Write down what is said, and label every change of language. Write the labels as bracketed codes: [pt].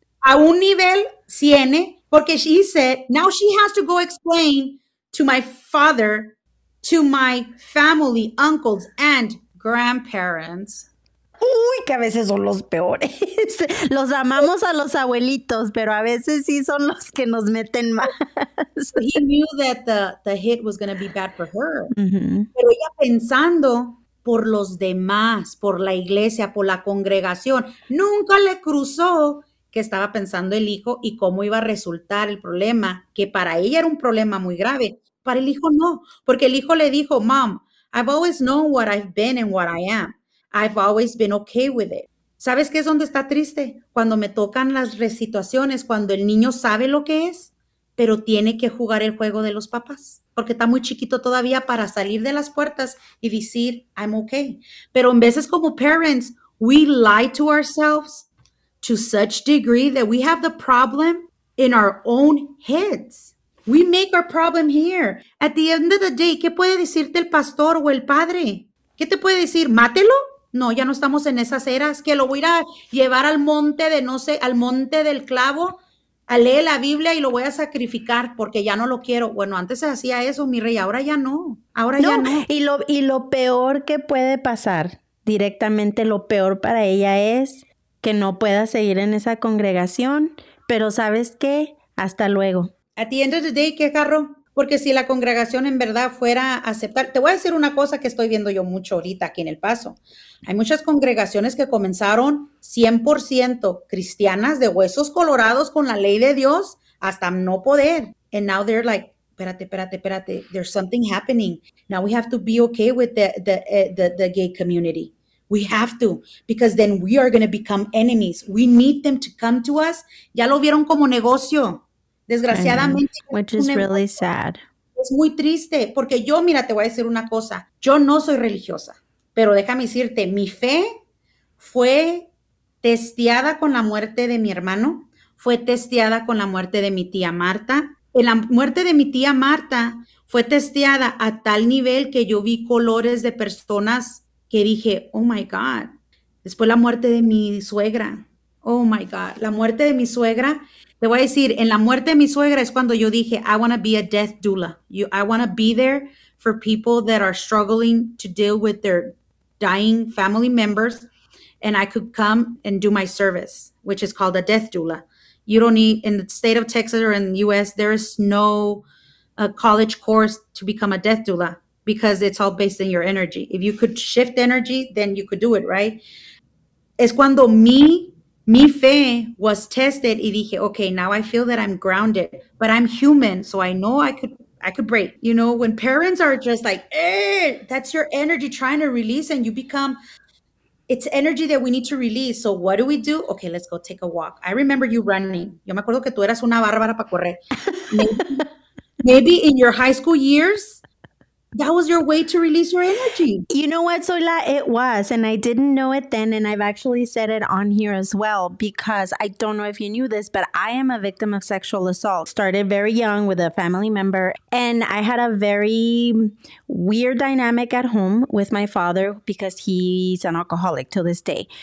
[en] A un nivel 100, porque she said, now she has to go explain to my father, to my family, uncles, and grandparents. [es] Uy, que a veces son los peores. Los amamos a los abuelitos, pero a veces sí son los que nos meten más. [en] He knew that the hit was going to be bad for her. Mm-hmm. [es] Pero ella pensando por los demás, por la iglesia, por la congregación, nunca le cruzó que estaba pensando el hijo y cómo iba a resultar el problema, que para ella era un problema muy grave. Para el hijo no, porque el hijo le dijo, Mom, I've always known what I've been and what I am. [en] I've always been okay with it. ¿Sabes qué es donde está triste? [es] Cuando me tocan las situaciones, cuando el niño sabe lo que es, pero tiene que jugar el juego de los papás, porque está muy chiquito todavía para salir de las puertas y decir, I'm okay. [en] Pero en veces como parents, we lie to ourselves to such degree that we have the problem in our own heads. [es] We make our problem here. At the end of the day, ¿qué puede decirte el pastor o el padre? ¿Qué te puede decir? ¿Mátelo? No, ya no estamos en esas eras. Que lo voy a llevar al monte de no sé, al monte del clavo, a leer la Biblia y lo voy a sacrificar porque ya no lo quiero. Bueno, antes se hacía eso, mi rey. Ahora ya no. Ahora no, ya no. Y lo peor que puede pasar, directamente lo peor para ella es que no pueda seguir en esa congregación. Pero ¿sabes qué? Hasta luego. [en] At the end of the day, ¿qué agarro? [es] Porque si la congregación en verdad fuera a aceptar, te voy a decir una cosa que estoy viendo yo mucho ahorita aquí en El Paso. Hay muchas congregaciones que comenzaron 100% cristianas de huesos colorados con la ley de Dios hasta no poder. [en] And now they're like, espérate, there's something happening. Now we have to be okay with the gay community. We have to, because then we are going to become enemies. We need them to come to us. Ya lo vieron como negocio. Desgraciadamente, which is really sad. [es] Es muy triste, porque yo, mira, te voy a decir una cosa. Yo no soy religiosa, pero déjame decirte, mi fe fue testeada con la muerte de mi hermano, fue testeada con la muerte de mi tía Marta. En la muerte de mi tía Marta fue testeada a tal nivel que yo vi colores de personas que dije, oh my God. Después la muerte de mi suegra, oh my God, la muerte de mi suegra. Te voy a decir, en la muerte de mi suegra es cuando yo dije, I want to be a death doula. [en] I want to be there for people that are struggling to deal with their dying family members. And I could come and do my service, which is called a death doula. You don't need, in the state of Texas or in the U.S., there is no college course to become a death doula because it's all based in your energy. If you could shift energy, then you could do it, right? Es cuando mi fe was tested y dije, okay, now I feel that I'm grounded, but I'm human, so I know I could break. You know, when parents are just like, that's your energy trying to release and you become, it's energy that we need to release. So what do? Okay, let's go take a walk. I remember you running. [es] Yo me acuerdo que tú eras una bárbara para correr. [en] Maybe in your high school years, that was your way to release your energy. You know what, Zoyla? It was. And I didn't know it then. And I've actually said it on here as well, because I don't know if you knew this, but I am a victim of sexual assault. Started very young with a family member. And I had a very weird dynamic at home with my father because he's an alcoholic to this day.